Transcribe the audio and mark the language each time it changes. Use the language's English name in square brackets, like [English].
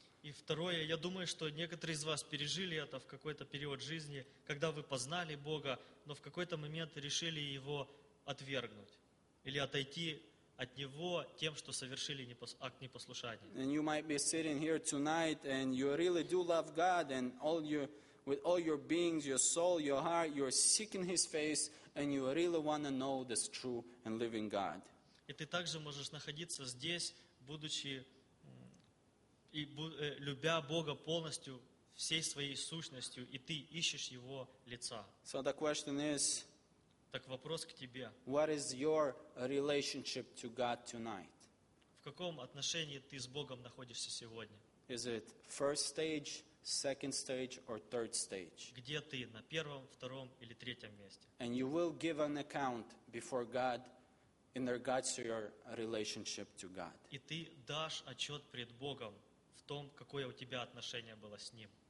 [Russian] И второе, я думаю, что некоторые из вас пережили это в какой-то период жизни, когда вы познали Бога, но в какой-то момент решили Его отвергнуть или отойти от Него тем, что совершили акт непослушания. [English] And you might be sitting here tonight and you really do love God and all you, with all your beings, your soul, your heart, you're seeking His face and you really want to know this true and living God. [Russian] И ты также можешь находиться здесь, будучи и любя Бога полностью всей своей сущностью, и ты ищешь Его лица. [English] So the question is, [Russian] так вопрос к тебе. [English] What is your relationship to God tonight? [Russian] В каком отношении ты с Богом находишься сегодня? [English] Is it first stage, second stage, or third stage? [Russian] Где ты, на первом, втором или третьем месте? [English] And you will give an account before God in regards to your relationship to God. [Russian] И ты дашь отчет пред Богом в том, какое у тебя отношение было с Ним.